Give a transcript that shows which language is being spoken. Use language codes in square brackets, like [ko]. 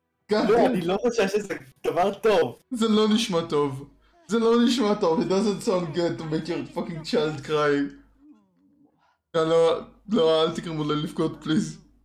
[he] No, אני לא רוצה שזה דבר טוב. זה לא נשמע טוב. זה לא נשמע טוב. [en] It doesn't sound good to make your fucking child cry. [he] לא, לא, אל תקרמו לה לבכות, פליז.